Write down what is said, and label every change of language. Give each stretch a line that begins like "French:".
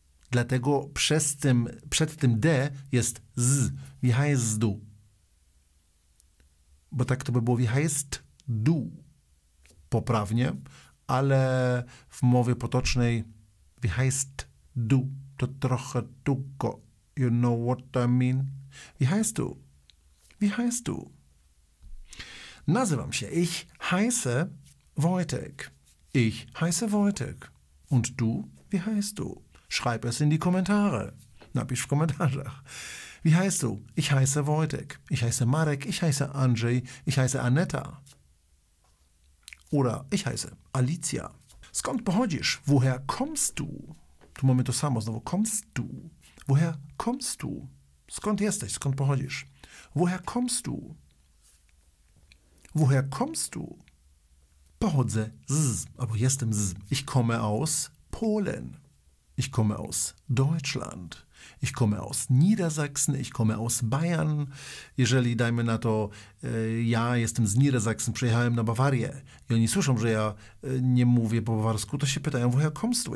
Polish: Dlatego przed tym d jest z.
German: Wie heißt du?
Polish: Bo tak to by było
German: wie heißt du.
Polish: Poprawnie, ale w mowie potocznej wie heißt du, to trochę długo.
English: You know what I mean?
German: Wie heißt du? Wie heißt du?
Polish: Nazywam się.
German: Ich heiße, Wojtek. Ich heiße Wojtek. Und du, wie heißt du? Schreib es in die Kommentare. Na, bis Kommentare. Wie heißt du? Ich heiße Wojtek. Ich heiße Marek. Ich heiße Andrzej. Ich heiße Aneta. Oder ich heiße Alicja.
Polish: Skąd pochodzisz?
German: Woher kommst du?
Polish: Tu mamy to samo, znowu.
German: Kommst du? Woher kommst du?
Polish: Skąd jesteś? Skąd pochodzisz?
German: Woher kommst du? Woher kommst du?
Polish: Pochodzę z, aber jestem z.
German: Ich komme aus Polen. Ich komme aus Deutschland. Ich komme aus Niedersachsen. Ich komme aus Bayern.
Polish: Jeżeli dajmy na to, ja jestem z Niedersachsen, przyjechałem na Bawarię i oni słyszą, że ja nie mówię po bawarsku, to się pytają,
German: woher kommst du?